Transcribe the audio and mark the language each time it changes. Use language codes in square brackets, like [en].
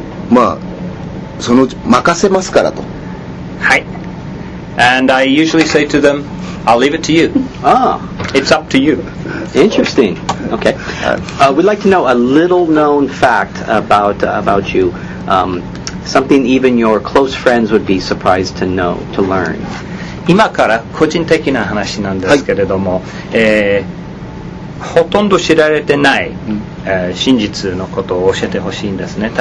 [ja] まあ、そのうち任せますからと。はい。 [en] And I usually say to them, I'll leave it to you. Ah. It's up to you. Interesting. Okay. We'd like to know a little known fact about you. Something even your close friends would be surprised to know, to learn. [ja] 今から個人的な話なんですけれども、はい、ほとんど知られてない、真実のことを教えてほしいんですね。